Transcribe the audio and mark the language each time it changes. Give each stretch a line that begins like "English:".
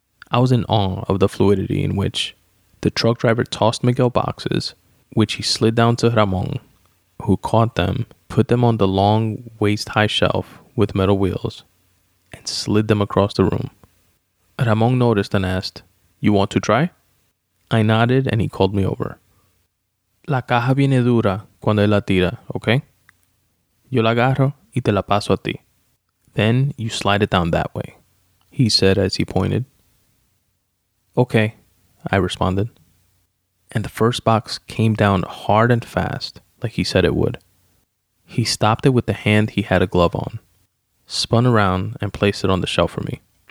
English: I was in awe of the fluidity in which the truck driver tossed Miguel boxes, which he slid down to Ramón, who caught them, put them on the long waist-high shelf with metal wheels, and slid them across the room. Ramón noticed and asked, "You want to try?" I nodded and he called me over.
Spanish: La caja viene dura cuando él la tira, okay? Yo la agarro y te la paso a ti.
English: Then you slide it down that way, he said as he pointed. Okay, I responded. And the first box came down hard and fast, like he said it would. He stopped it with the hand he had a glove on, spun around and placed it on the shelf for me.